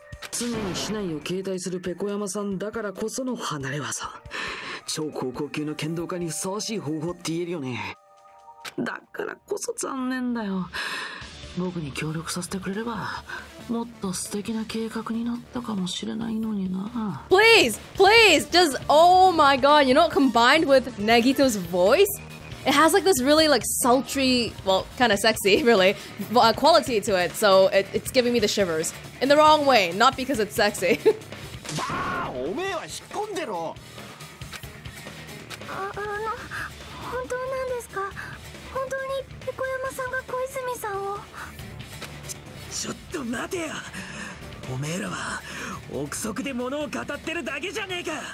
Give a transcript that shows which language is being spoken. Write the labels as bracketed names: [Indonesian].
[Japanese] 常に竹刀を携帯するペコ山さんだからこその離れ技、超高校級の剣道家にふさわしい方法って言えるよね。だからこそ残念だよ。僕に協力させてくれればもっと素敵な計画になったかもしれないのにな。 [English] Please! Please! Just oh my god, you know, combined with Nagito's voice, it has like this really like sultry, well, kind of sexy really, but a quality to it, so it's giving me the shivers. In the wrong way, not because it's sexy. [Japanese] おめえは引っ込んでろ。あの、本当なんですか？本当にペコ山さんが小泉さんを？ちょっと待てよ。おめえらは憶測で物を語ってるだけじゃねえか。